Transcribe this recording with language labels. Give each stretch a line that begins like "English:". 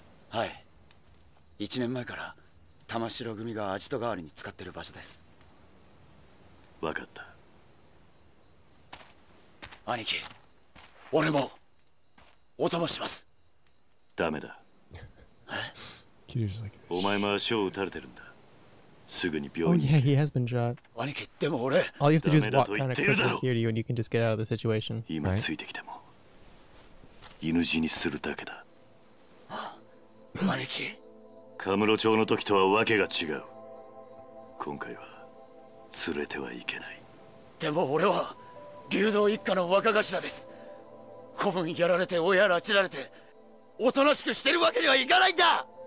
Japanese: はい、一年前から玉城組がアジト代わりに使ってる場所です。分かった。兄貴、俺もお供します。ダメだ。え？お前も足を撃たれてるんだ。すぐに病院に。
English: Oh yeah, he has been shot.
Japanese: 兄貴、でも俺。
English: All you have to do is walk kind of quickly here to you, and you can just get out of the situation.
Japanese: 今ついてきても、犬死にするだけだ。兄貴。カムロ町の時とはわけが違う。今回は連れてはいけない。でも俺は流動一家の若頭です。子分やられて親拉致られて、おとなしくしてるわけにはいかないんだ。